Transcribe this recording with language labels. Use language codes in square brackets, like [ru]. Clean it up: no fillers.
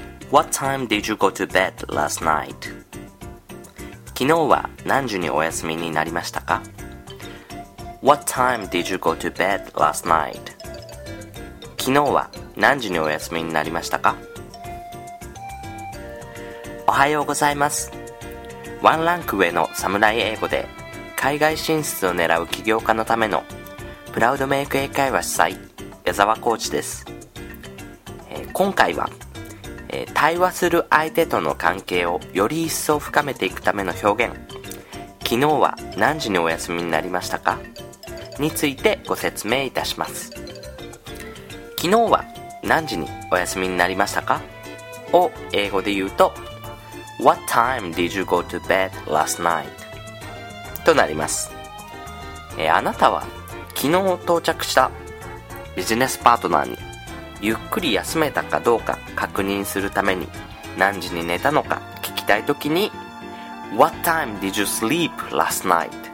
[en] What time did you go to bed last night? [ja] 昨日は何時にお休みになりましたか? [en] What time did you go to bed last night? [ja] 昨日は何時にお休みになりましたか? おはようございます。ワンランク上のサムライ英語で海外進出を狙う起業家のためのプラウドメイク英会話主催矢沢コーチです。今回は対話する相手との関係をより一層深めていくための表現、昨日は何時にお休みになりましたか? についてご説明いたします。昨日は何時にお休みになりましたか? を英語で言うと、 [en] What time did you go to bed last night? [ja] となります。あなたは昨日到着したビジネスパートナーにゆっくり休めたかどうか確認するために何時に寝たのか聞きたいときに [en] What time did you sleep last night?